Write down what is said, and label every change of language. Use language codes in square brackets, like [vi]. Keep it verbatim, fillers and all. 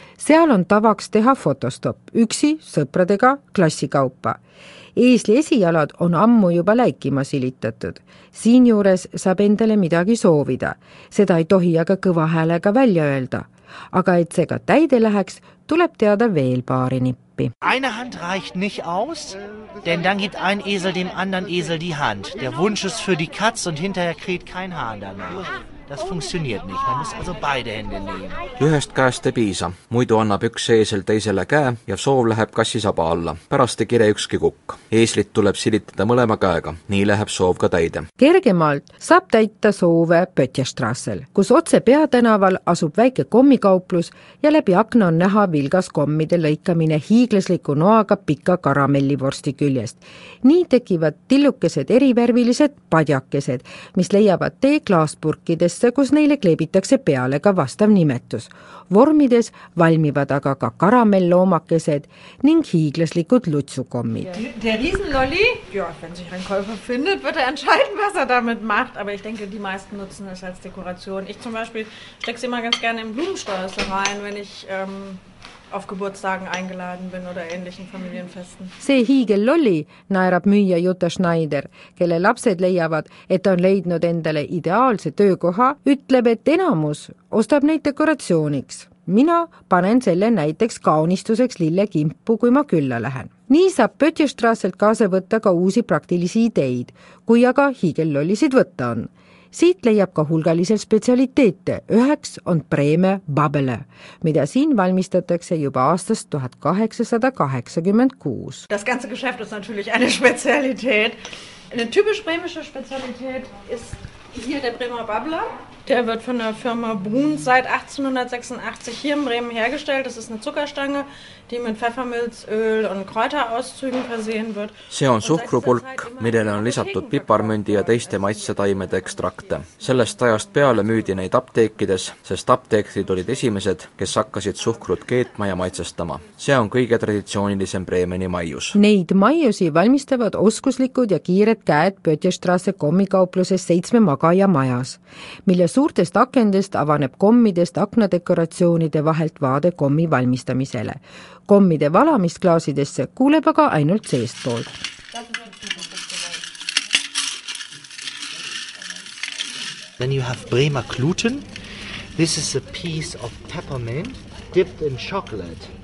[et] Seal on tavaks teha fotostop, üksi sõpradega klassikaupa. Eesli esijalad on ammu juba läikima silitatud. Siin juures saab endale midagi soovida. Seda ei tohi aga kõva häälega välja öelda. Aga et see ka täide läheks, tuleb teada veel paari nippi. [de] Eine Hand reicht nicht aus, denn dann gibt ein Esel dem anderen Esel die Hand. Der Wunsch ist für die Katz und hinterher kräht kein Hahn danach. Das funktioniert nicht, man muss also beide Hände nehmen. [et] Ühest käest ei piisa, muidu annab üks eesel teisele käe ja soov läheb kassi saba alla. Pärast ei kire ükski kukk. Eeslit tuleb silitada mõlema käega, nii läheb soov ka täide. Kergemalt saab täita soove Pötjestrassel, kus otse peatänaval asub väike kommikauplus ja läbi akna on näha vilgas kommide lõikamine hiiglasliku noaga pika karamellivorsti küljest. Nii tekivad tillukesed erivärvilised padjakesed, mis leiavad tee klaaspurkides, kus neile kleebitakse peale ka vastav nimetus. Vormides valmivad aga ka karamelloomakesed ning hiiglaslikud lutsukommid. [de] Der, der Riesenlolli, ja, wenn sich ein Käufer findet, wird er entscheiden, was er damit macht, aber ich denke, die meisten nutzen das als Dekoration. Ich zum Beispiel stecke sie immer ganz gerne in Blumensträuße rein, wenn ich... Ähm auf Geburtstagen eingeladen bin oder ähnlichen Familienfesten. [et] See hiigel lolli naerab müüja Jutta Schneider, kelle lapsed leiavad, et on leidnud endale ideaalse töökoha, ütleb, et enamus ostab neid dekoratsiooniks. Mina panen selle näiteks kaunistuseks lille kimpu, kui ma külla lähen. Nii saab Pötjestrasselt kaasa võtta ka uusi praktilisi ideid, kui aga hiigel lollisid võtta on. Siit leiab ka hulgalisel spetsialiteete. Üheks on preeme Babele, mida siin valmistatakse juba aastast tuhat kaheksasada kaheksakümmend kuus. [de] Das ganze Geschäft ist natürlich eine Spezialität. Eine typisch bremische Spezialität ist hier der Bremer Babeler. Der wird von der Firma Bruns seit achtzehnhundertsechsundachtzig hier in Bremen hergestellt. Das ist eine Zuckerstange, die mit Pfeffermilz, Öl und Kräuterauszügen versehen wird. [et] See on suhkrupulk, millele on lisatud piparmündi ja teiste maitsetaimede ekstrakte. Sellest ajast peale müüdi neid apteekides, sest apteekrid olid esimesed, kes hakkasid suhkrut keetma ja maitsestama. See on kõige traditsioonilisem Bremeni maius. Neid maiusi valmistavad oskuslikud ja kiired käed Pötjestrasse kommikaupluses seitsme magaja majas, mille suurtest akendest avaneb kommidest aknadekoratsioonide vahelt vaade kommi valmistamisele. Kommide valamisklaasidesse kuuleb aga ainult seestpoolt. [en] When you have Bremer Kluten, this is a piece of peppermint dipped in chocolate.